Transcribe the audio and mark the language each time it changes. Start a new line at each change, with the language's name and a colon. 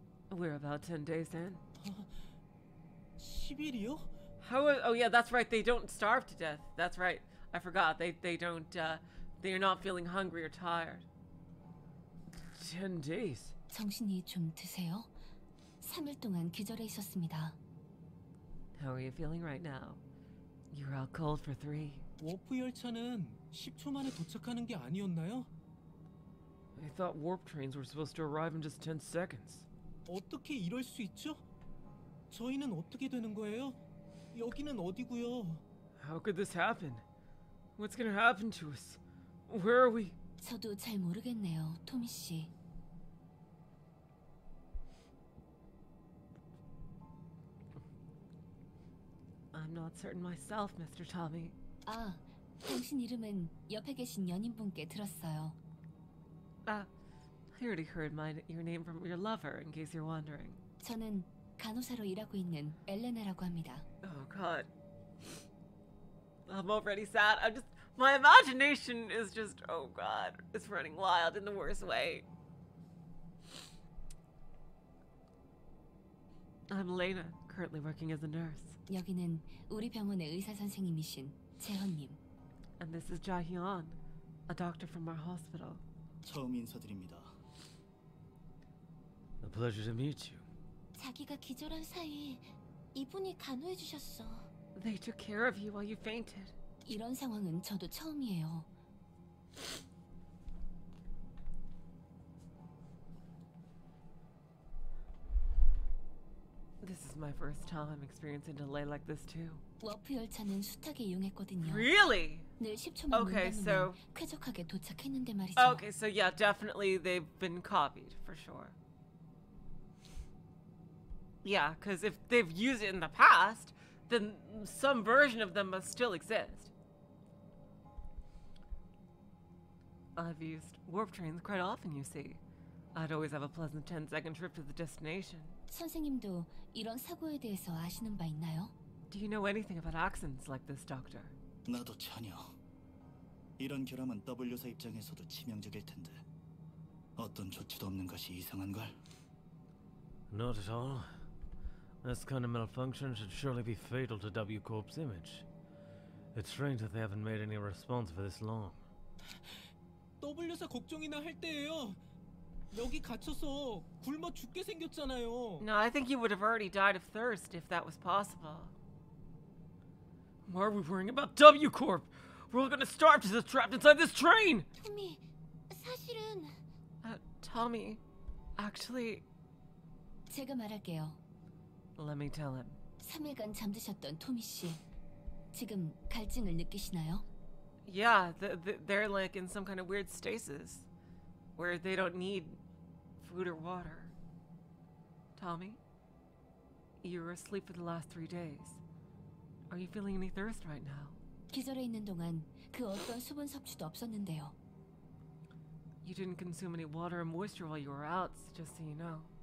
English: We're about 10 days in.
Korean: 10일이요?
English: Oh yeah, that's right. They don't starve to death. That's right. I forgot. They don't, they're not feeling hungry or tired. 10 days?
Korean: 정신이 좀 드세요? 3일 동안 기절해 있었습니다.
English: How are you feeling right now? You're out cold for 3.
Korean: 워프 열차는 10초 만에 도착하는 게 아니었나요?
English: I thought warp trains were supposed to arrive in just 10 seconds.
Korean: 어떻게 이럴 수 있죠? 저희는 어떻게 되는 거예요? 여기는 어디고요?
English: How could this happen? What's gonna happen to us? Where are we?
Korean: 저도 잘 모르겠네요, 토미 씨.
English: I'm not certain myself, Mr. Tommy.
Korean: 아, 당신 이름은 옆에 계신 연인분께 들었어요.
English: I already heard your name from your lover, in case you're wondering.
Korean: 저는 간호사로 일하고 있는 엘레나라고 합니다.
English: Oh God, I'm already sad. My imagination is just, oh God, it's running wild in the worst way. I'm Lena, currently working as a nurse.
Korean: 여기는 우리 병원의 의사 선생님이신 재현님.
English: And this is Jaehyun, a doctor from our hospital.
Korean: 처음 인사드립니다.
English: A pleasure to meet you.
Korean: 자기가 기절한 사이 이분이 간호해 주셨어.
English: They took care of you while you fainted.
Korean: 이런 상황은 저도 처음이에요.
English: This is my first time experiencing delay like this too.
Korean: 워프 열차는 숱하게 이용했거든요.
English: Really?
Korean: 늘 10초 만에 okay, 서 쾌적하게 도착했는데 말이죠.
English: Okay, so yeah, definitely they've been copied for sure. Yeah, because if they've used it in the past, then some version of them must still exist. I've used warp trains quite often, you see. I'd always have a pleasant 10-second trip to the destination.
Korean: 선생님도 이런 사고에 대해서 아시는 바 있나요?
English: Do you know anything about accidents like this, Doctor?
Korean: 나도 전혀. 이런 결함은 W사 입장에서도 치명적일 텐데. 어떤 조치도 없는 것이 이상한 걸?
English: Not at all. This kind of malfunction should surely be fatal to W Corp's image. It's strange that they haven't made any response for this long.
Korean: W사 걱정이나 할 때예요. 여기 갇혀서 굶어 죽게 생겼잖아요.
English: No, I think you would have already died of thirst if that was possible. Why are we worrying about W Corp? We're all gonna starve to death trapped inside this train!
Korean: Tommy, 사실은...
English: Tommy, actually...
Korean: 제가 말할게요.
English: Let me tell him.
Korean: 3일간 잠드셨던 토미 씨, 지금 갈증을 느끼시나요?
English: Yeah, they're like in some kind of weird stasis, where they don't need food or water. Tommy, you were asleep for the last 3 days. Are you feeling any thirst right now?
Korean: 기절해 있는 동안 그 어떤 수분 섭취도 없었는데요.
English: You didn't consume any water or moisture while you were out, just so you know.